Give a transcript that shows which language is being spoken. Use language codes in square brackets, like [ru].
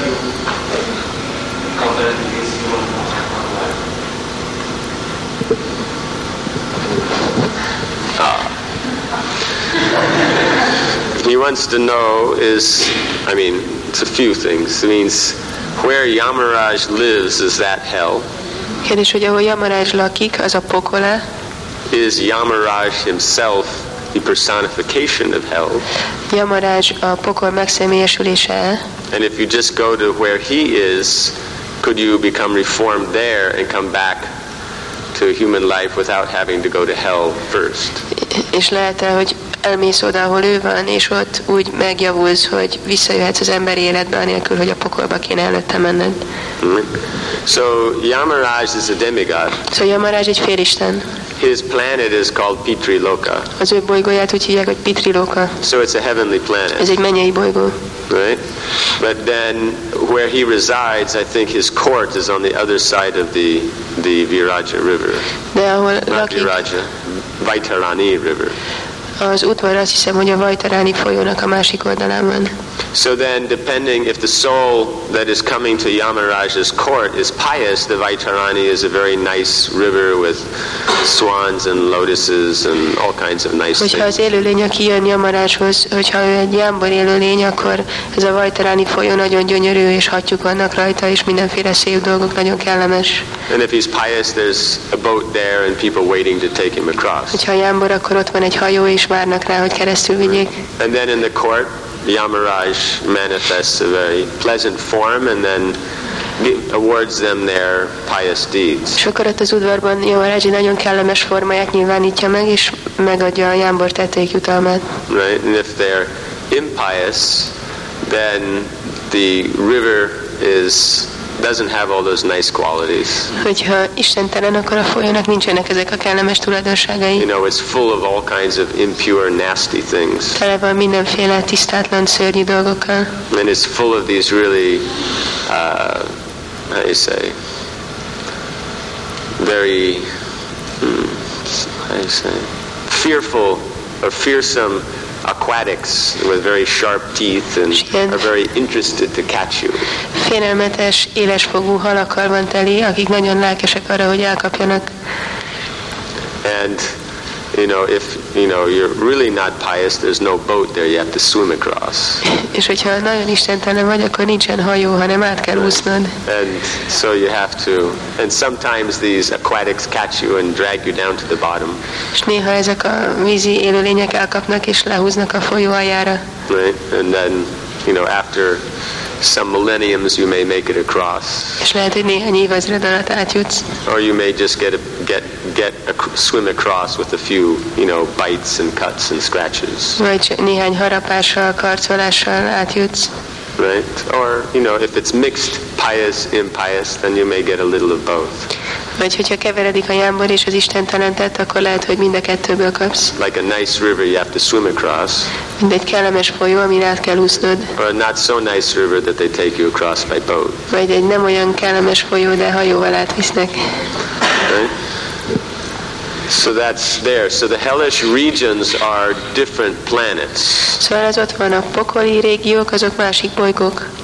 [en] You comment this human life. He wants to know it's a few things. It means where Yamaraj lives, is that hell? [hu] Kérdés, hogy ahol Yamaraj lakik, az a pokola? [en] Is Yamaraj himself the personification of hell? [hu] Yamaraj a pokol megszemélyesülése? [en] And if you just go to where he is, could you become reformed there and come back to human life without having to go to hell first? [hu] És lehet-e, hogy elmész oda, ahol ő van, és ott úgy megjavulsz, hogy visszajöhetsz az emberi életbe, anélkül, hogy a pokolba kéne előtte menned? [en] So Yamaraj is a demigod. [hu] So Yamaraj egy félisten. [en] His planet is called Pitri Loka. [hu] Az ő bolygóját úgy hívják, hogy Pitri Loka. [en] So it's a heavenly planet. [hu] Ez egy mennyei bolygó. [en] Right? But then where he resides, I think his court is on the other side of the Viraja River. [hu] De ahol lakik. [en] Viraja, Vaitarani River. [hu] Az udvar, azt hiszem, hogy a Vaitarani folyónak a másik oldalán van. [en] So then, depending if the soul that is coming to Yamaraj's court is pious, the Vaitarani is a very nice river with swans and lotuses and all kinds of nice [hu] Hogyha az élőlény, aki jön Yamarajhoz, hogyha ő egy jámbor élőlény, akkor ez a Vaitarani folyó nagyon gyönyörű, és hattyúk vannak rajta, és mindenféle szép dolgok, nagyon kellemes. [en] And if he's pious, there's a boat there and people waiting to take him across. [hu] Hogyha jámbor, akkor ott van egy hajó, és várnak rá, hogy keresztül vigyék. [en] And then in the court, Yamaraj manifests a very pleasant form and then awards them their pious deeds. [hu] Sokorat az udvarban Yamaraj nagyon kellemes formáját nyilvánítja meg, és megadja a jámbor tetteik jutalmát. [en] Right, and if they're impious, then the river doesn't have all those nice qualities. [hu] Hogyha istentelen, akkor a folyónak nincsenek ezek a kellemes tulajdonságai. [en] You know, it's full of all kinds of impure, nasty things. [hu] Tele van mindenféle tisztátlan, szörnyű dolgokkal. [en] And it's full of these really, how do you say, very, how do you say, fearful or fearsome aquatics with very sharp teeth and are very interested to catch you. [hu] Félelmetes, élesfogú halakkal van teli, akik nagyon lelkesek arra, hogy elkapjanak. [en] And you know, if you know you're really not pious, there's no boat there, you have to swim across. [hu] És hogyha nagyon istentelen vagy, akkor nincsen hajó, hanem át kell úsznod. [en] And so you have to. And sometimes these aquatics catch you and drag you down to the bottom. [hu] És néha ezek a vízi élőlények elkapnak és lehúznak a folyó aljára. [en] Right, and then you know after some millenniums you may make it across. [hu] És lehet, hogy néhány évezred alatt átjutsz. [en] Or you may just get a swim across with a few, you know, bites and cuts and scratches. [hu] Vagy néhány harapással, karcolással átjutsz. [en] Right. Or, you know, if it's mixed pious, impious, then you may get a little of both. [hu] Vagy hogyha keveredik a jámbor és az istentelentet, akkor lehet, hogy mind a kettőből kapsz. [en] Like a nice river you have to swim across. [hu] Mint egy kellemes folyó, amin át kell úsznod. [en] Or a not so nice river that they take you across by boat. [hu] Vagy egy nem olyan kellemes folyó, de hajóval átvisznek. [en] Right. So that's there. So the hellish regions are different planets. [hu] Szóval az ott van a pokoli régiók, azok másik bolygók.